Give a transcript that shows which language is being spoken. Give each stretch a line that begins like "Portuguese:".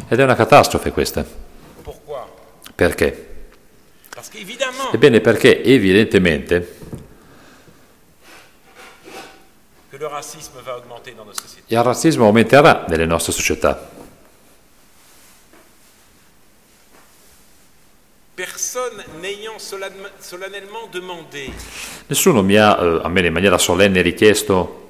Italian: Ed è una catastrofe questa.
French: Pourquoi?
Italian: Perché?
French: Parce qu'évidemment,
Italian: ebbene, perché evidentemente
French: que le racisme va augmenter dans nos sociétés.
Italian: Il razzismo aumenterà nelle nostre società.
French: Personne n'ayant solennellement demandé.
Italian: Nessuno mi ha a me in maniera solenne richiesto